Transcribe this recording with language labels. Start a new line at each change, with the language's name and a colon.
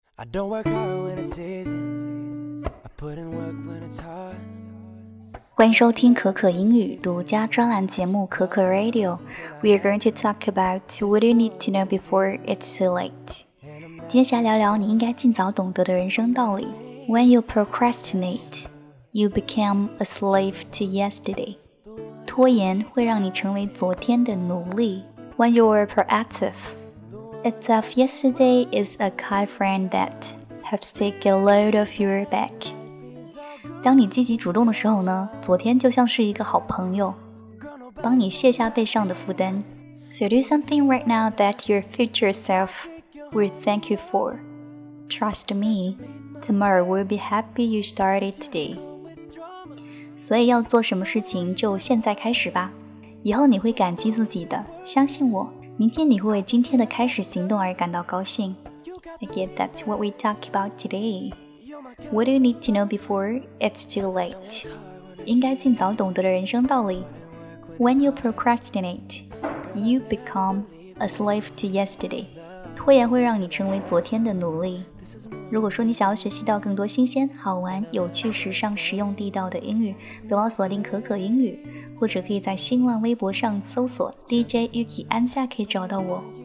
English: I don't work hard when it's easy. I put in work when it's hard.
Chinese: 欢迎收听可可英语独家专栏节目可可 Radio.
English: We are going to talk about what you need to know before it's too late.
Chinese: 接下来聊聊你应该尽早懂得的人生道理。
English: When you procrastinate, you become a slave to yesterday.
Chinese: 拖延会让你成为昨天的奴隶。
English: When you are proactive, it's of yesterday is a kind friend that helps take a load off your back.
Chinese: 当你积极主动的时候呢，昨天就像是一个好朋友，帮你卸下背上的负担。
English: So do something right now that your future self will thank you for. Trust me. Tomorrow will be happy you started today.
Chinese: 所以要做什么事情就现在开始吧，以后你会感激自己的，相信我，明天你会为今天的开始行动而感到高兴。
English: Again, that's what we talk about today. What do you need to know before it's too late?
Chinese: 应该尽早懂得的人生道理。
English: When you procrastinate, you become a slave to yesterday.
Chinese: 拖延会让你成为昨天的奴隶。如果说你想要学习到更多新鲜、好玩、有趣、时尚、实用、地道的英语，别忘锁定可可英语，或者可以在新浪微博上搜索 DJ Yuki 安夏，可以找到我。